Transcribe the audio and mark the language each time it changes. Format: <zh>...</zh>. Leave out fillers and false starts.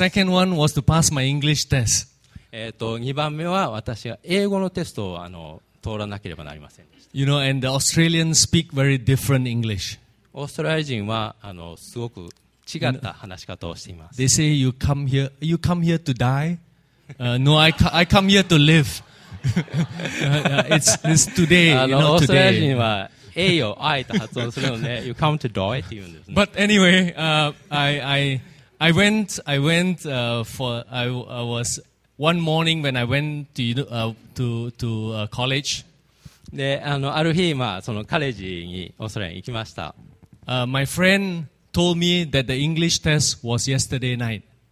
<en>Second one was to pass my English test.</en> <ja>2番目は私が英語のテストを通らなければなりませんでした。</ja> <en>You know, and the Australians speak very different English.</en> <ja>オーストラリア人はすごく違った話し方をしています。</ja> <en>They say you come here to die. No, I come here to live. It's today, not today.</en> <ja>オーストラリア人は A を I と発音するので、</ja> <en>You come to die</en> <ja>って言うんですね。</ja> <en>But anyway, I was one morning when I went to college.</en> <ja>で、ある日、まあ、そのカレッジにオーストラリアに行きました。</ja> <en>My friend told me that the English test was yesterday night.</en>